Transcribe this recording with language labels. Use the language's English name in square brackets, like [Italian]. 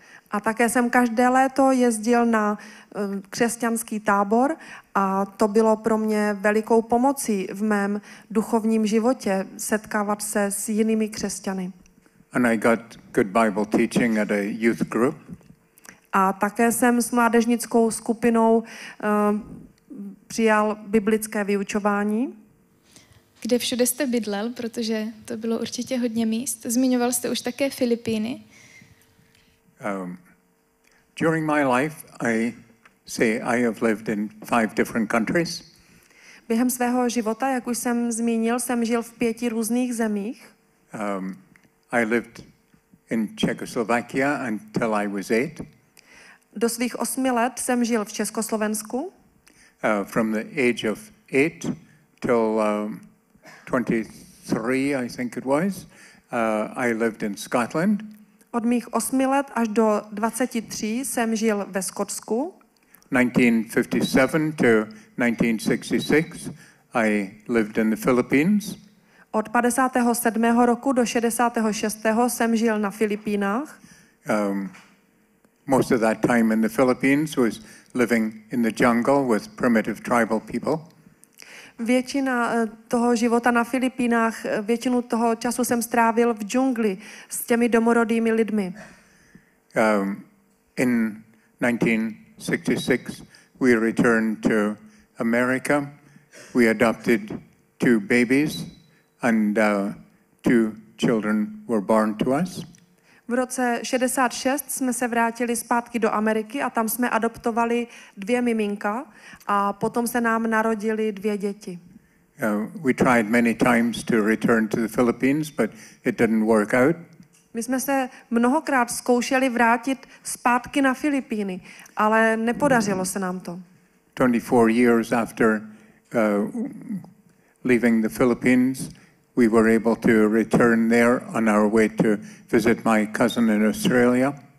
[Czech] A také jsem každé léto jezdil na křesťanský tábor a to bylo pro mě velikou pomocí v mém duchovním životě setkávat se s jinými křesťany. [English] And I got good Bible teaching at a youth group. [Czech] A také jsem s mládežnickou skupinou přijal biblické vyučování. Kde všude jste bydlel, protože to bylo určitě hodně míst. Zmiňoval jste už také Filipíny. [English] During my life, I say I have lived in 5 different countries. [Czech] Během svého života, jak už jsem zmínil, jsem žil v 5 různých zemích. [English] I lived in Czechoslovakia until I was 8. [Czech] Do svých 8 let jsem žil v Československu. [English] From the age of 8 till 23, I think it was, I lived in Scotland. [Czech] Od mých 8 let až do 23 jsem žil ve Skotsku. [English] 1957 to 1966 I lived in the Philippines. [Czech] Od 57. roku do 66. jsem žil na Filipínách. [English] Most of that time in the Philippines was living in the jungle with primitive tribal people. [Czech] Většina toho života na Filipínách, většinu toho času jsem strávil v džungli s těmi domorodými lidmi. [English] In 1966 we returned to America. We adopted 2 babies and 2 children were born to us. [Czech] V roce 66 jsme se vrátili zpátky do Ameriky a tam jsme adoptovali 2 miminka a potom se nám narodili 2 děti. [English] We tried many times to return to the Philippines, but it didn't work out. [Czech] My jsme se mnohokrát zkoušeli vrátit zpátky na Filipíny, ale nepodařilo se nám to. [English] 24 years after leaving the Philippines, we were able to return there on our way to visit my cousin in Australia.